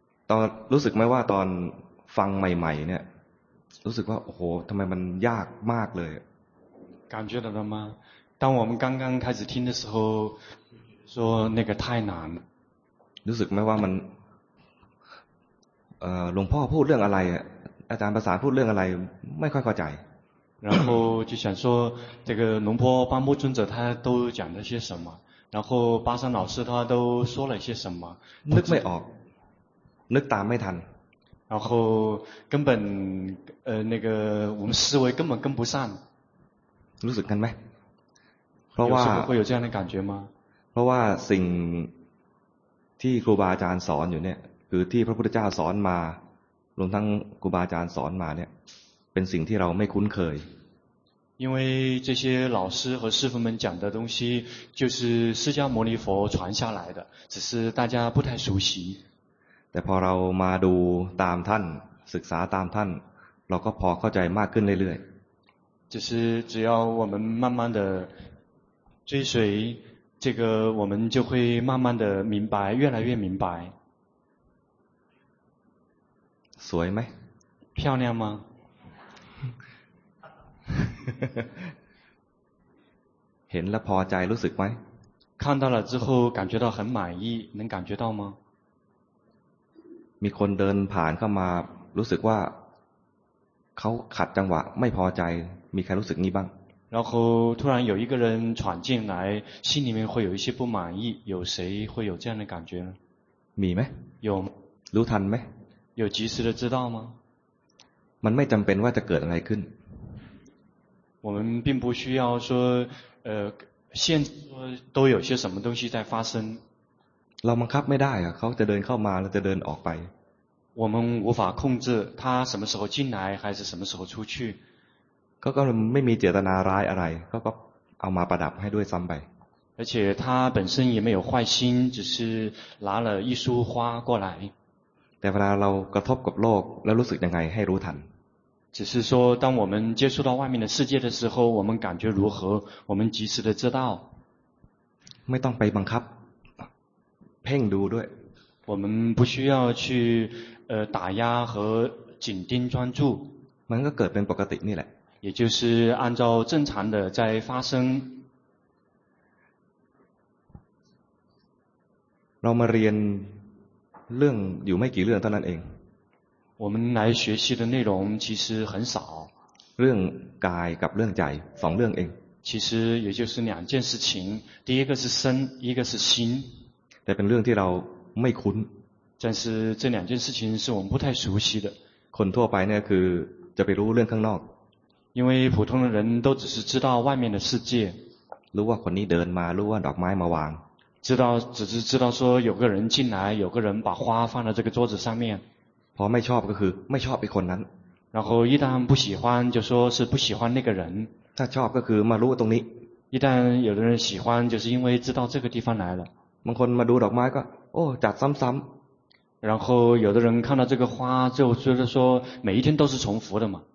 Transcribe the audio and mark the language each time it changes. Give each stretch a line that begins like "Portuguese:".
Thai: ตอนรู้สึกไหมว่าตอนฟังใหม่ๆเนี่ยรู้สึกว่าโอ้โหทำไมมันยากมากเลย
Chinese: 感觉到了吗当我们刚刚开始听的时候说那个太难
Thai: รู้สึกไหมว่ามันหลวงพ่อพูดเรื่องอะไรอาจารย์ภาษาพูดเรื่องอะไรไม่ค่อยเข้าใจ
Chinese: 然后就想说这个龙坡班木尊者他都讲了些什么然后巴山老师他都说了些什么
Thai: นึกไม่ออกนึกตามไม่ทัน
Chinese: 然后根本那个我们思维根本跟不上
Thai: รู้สึกกันไหมเพราะว่า
Chinese: 会有这样的感觉吗
Thai: เพราะว่าสิ่งที่ครูบาอาจารย์สอนอยู่เนี่ยคือที่พระพุทธเจ้าสอนมารวมทั้งครูบาอาจารย์สอนมาเนี่ยเป็นสิ่งที่เราไม่คุ้นเคย
Chinese: 因为这些老师和师父们讲的东西就是释迦牟尼佛传下来的只是大家不太熟悉
Thai: แต่พอเรามาดูตามท่านศึกษาตามท่านเราก็พอเข้าใจมากขึ้นเรื่อย
Chinese: ๆ就是只要我们慢慢的追随这个我们就会慢慢的明白越来越明白
Thai: สวยไหม
Chinese: 漂亮吗
Thai: เห็นแล้วพอใจรู้สึกไหม
Chinese: 看到了之后感觉到很满意能感觉到吗
Thai: มีคนเดินผ่านเข้ามารู้สึกว่าเขาขัดจังหวะไม่พอใจมีใครรู้สึกนี้บ้าง
Chinese: 然后突然有一个人闯进来心里面会有一些不满意有谁会有这样的感觉呢
Thai: มีไหม
Chinese: 有
Thai: รู้ทันไหม
Chinese: 有及时的知道吗
Thai: มันไม่จำเป็นว่าจะเกิดอะไรขึ้น
Chinese: 我们并不需要说现在说都有些什么东西在发生
Thai: เราบังคับไม่ได้อะเขาจะเดินเข้ามาแล้วจะเดินออกไป
Chinese: 我们无法控制他什么时候进来还是什么时候出去
Thai: ก็ไม่มีเจตนาร้ายอะไรก็เอามาประดับให้ด้วยซ้ำไป
Chinese: 而且他本身也没有坏心只是拿了一束花过来
Thai: แต่เวลาเรากระทบกับโลกแล้วรู้สึกยังไงให้รู้ทัน
Chinese: 只是说当我们接触到外面的世界的时候我们感觉如何我们及时的知道
Thai: ไม่ต้องไปบังคับเพ่งดูด้วย
Chinese: 我们不需要去打压和紧盯专注
Thai: มันก็เกิดเป็นปกตินี่แหละ
Chinese: 也就是按照正常的在发生
Thai: เรามาเรียนเรื่องอยู่ไม่กี่เรื่องเท่านั้นเอง
Chinese: 我们来学习的内容其实很少
Thai: เรื่องกายกับเรื่องใจสองเรื่องเอง
Chinese: 其实也就是两件事情第一个是身一个是心
Thai: แต่เป็นเรื่องที่เราไม่คุ้น
Chinese: 但是这两件事情是我们不太熟悉的
Thai: คนทั่วไปเนี่ยคือจะไปรู้เรื่องข้างนอก
Chinese: 因为普通的人都只是知道外面的世界
Thai: รู้ว่าคนนี้เดินมารู้ว่าดอกไม้มาวาง
Chinese: 知道只是知道说有个人进来有个人把花放在这个桌子上面
Thai: พอไม่ชอบก็คือไม่ชอบไอ้คนนั้น
Chinese: 然后一旦不喜欢就说是不喜欢那个人
Thai: ถ้าชอบก็คือมารู้ตรงนี้
Chinese: 一旦有的人喜欢就是因为知道这个地方来了
Thai: บางคนมาดูดอกไม้ก็โอ้จัดซ้ำ
Chinese: ๆ然后有的人看到这个花就觉得说每一天都是重复的嘛